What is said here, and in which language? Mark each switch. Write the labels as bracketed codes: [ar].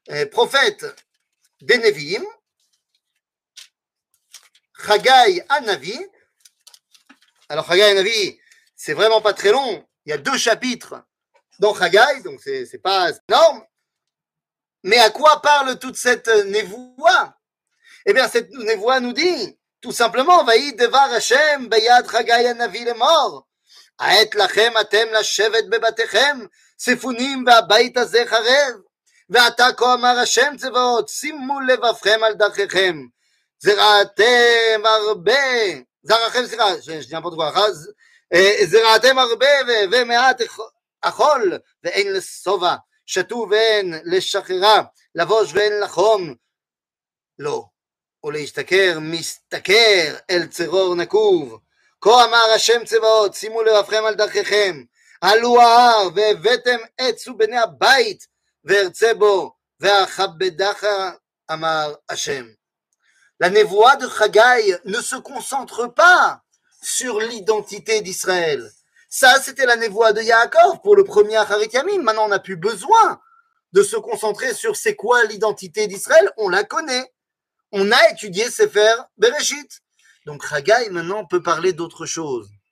[fr] Prophète des Nevi'im, Haggai Anavi. Alors, Haggai Anavi, c'est vraiment pas très long. Il y a deux chapitres dans Haggai, donc c'est pas énorme. Mais à quoi parle toute cette névoie? Eh bien, cette névoie nous dit, tout simplement, [he] « Vaïd devar Hashem, bayad Haggai anavi lemor, aet lachem atem lashevet bebatechem, sefunim ba'bait hazeh harev, ועתה כה אמר השם צבאות, שימו לבבכם על דרככם, זרעתם הרבה, זרעכם, סליחה, שנייה פה דקות אחת, זרעתם הרבה ומעט אכול, ואין לסובה, שתו ואין לשחררה, לבוש ואין לחום, לא, ולהשתכר, מסתכר אל צרור נקוב, כה אמר השם צבאות, שימו לבבכם על דרככם, עלו ההר, והבאתם עץ ובני הבית, וארצה בו, ואכבדך אמר השם. [fr] La névoie de Haggai ne se concentre pas sur l'identité d'Israël. Ça, c'était la névoie de Yaakov pour le premier Acharit Yamim. Maintenant, on n'a plus besoin de se concentrer sur c'est quoi l'identité d'Israël. On la connaît. On a étudié Sefer Bereshit. Donc, Haggai, maintenant, peut parler d'autre chose.